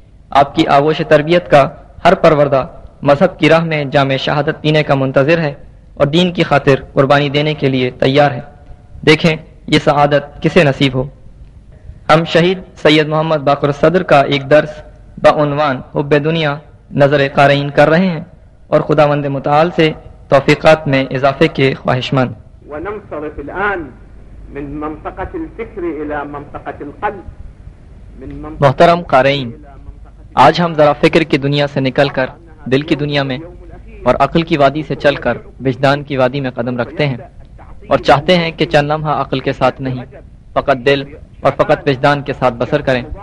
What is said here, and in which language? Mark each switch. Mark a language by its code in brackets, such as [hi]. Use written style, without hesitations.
[ur] آپ کی آغوش تربیت کا ہر پروردہ مذہب کی راہ میں جامع شہادت پینے کا منتظر ہے اور دین کی خاطر قربانی دینے کے لیے تیار ہے. دیکھیں یہ سعادت کسے نصیب ہو. ہم شہید سید محمد باقر صدر کا ایک درس بعنوان حب دنیا نظر قارئین کر رہے ہیں اور خداوند متعال سے توفیقات میں اضافے کے خواہش مند. [ar] وننصرف الان من منطقة الفکر الى منطقة القلب. [ur] محترم قارئین, آج ہم ذرا فکر کی دنیا سے نکل کر دل کی دنیا میں اور عقل کی وادی سے چل کر وجدان کی وادی میں قدم رکھتے ہیں اور چاہتے ہیں کہ چند لمحہ عقل کے ساتھ نہیں فقط دل اور فقط وجدان کے ساتھ بسر کریں.